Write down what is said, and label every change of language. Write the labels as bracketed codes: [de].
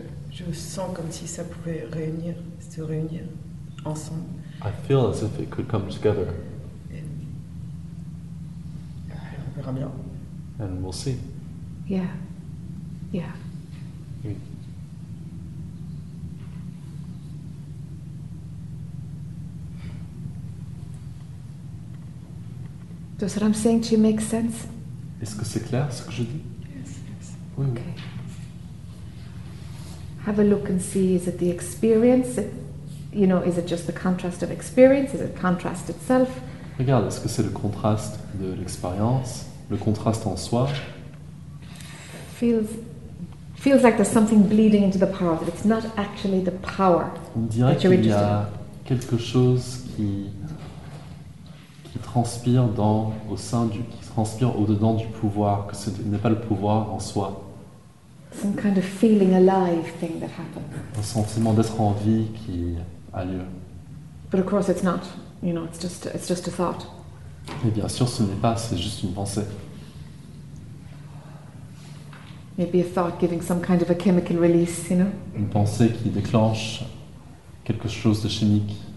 [fr] Je sens comme si ça pouvait réunir, se réunir ensemble. [en] I feel as if it could come together. [fr] Et on verra bien. [en] And we'll see. Yeah. Oui. Does what I'm saying to you make sense? [fr] Est-ce que c'est clair ce que je dis? [en] Yes. [fr] Oui. Okay. [en] Have a look and see, is it the experience? You know, is it just the contrast of experience? Is it contrast itself? [fr] Regarde, est-ce que c'est le contraste de l'expérience? Le contraste en soi? [en] Feels like there's something bleeding into the power of it. It's not actually the power. [fr] On dirait qu'il y a quelque chose qui transpire dans, au sein du, qui transpire au-dedans du pouvoir, que ce n'est pas le pouvoir en soi. [en] Some kind of feeling alive thing that happens. [fr] Un sentiment d'être en vie qui a lieu. [en] But of course it's not. You know, it's just a thought. [fr] Et bien sûr, ce n'est pas, c'est juste une pensée. [en] Maybe a thought giving some kind of a chemical release, you know? [fr] Une pensée qui déclenche quelque chose de chimique.